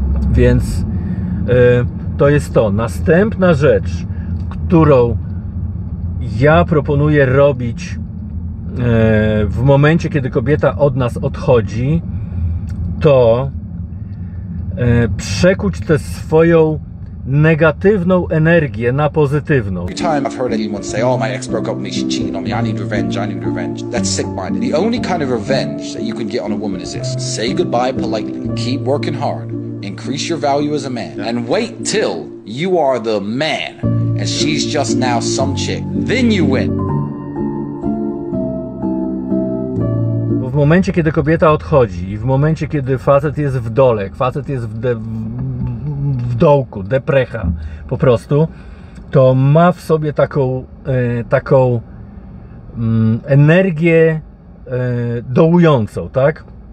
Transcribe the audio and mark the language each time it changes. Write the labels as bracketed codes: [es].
[pl] Więc to jest to. Następna rzecz, którą ja proponuję robić w momencie, kiedy kobieta od nas odchodzi, to przekuć tę swoją negatywną energię na pozytywną. [en] Every time I've heard anyone say, oh, my ex broke up with me, she cheated on me, I need revenge. That's sick minded. The only kind of revenge that you can get on a woman is this. Say goodbye politely, keep working hard, increase your value as a man, and wait till you are the man and she's just now some chick. Then you win. [pl] W momencie, kiedy kobieta odchodzi i w momencie, kiedy facet jest w dole, facet jest w dołku, deprecha po prostu, to ma w sobie taką energię dołującą, tak?